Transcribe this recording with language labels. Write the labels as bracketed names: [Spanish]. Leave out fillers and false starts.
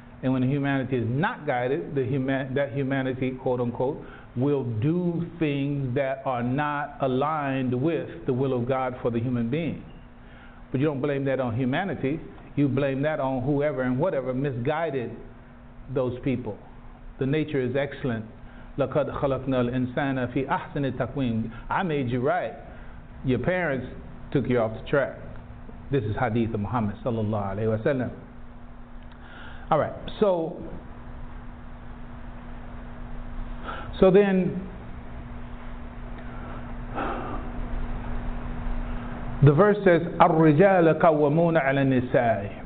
[English] And when humanity is not guided, that humanity, quote unquote, will do things that are not aligned with the will of God for the human being. But you don't blame that on humanity. You blame that on whoever and whatever misguided those people. The nature is excellent. [Arabic] لَقَدْ خَلَقْنَا الْإِنسَانَ فِي أَحْسَنِ التَّقْوِيمِ. [English] I made you right. Your parents took you off the track. This is hadith of Muhammad sallallahu alayhi wa sallam. All right, so then the verse says, [Arabic] الرِّجَالَ قَوَّمُونَ عَلَى النِّسَاءِ.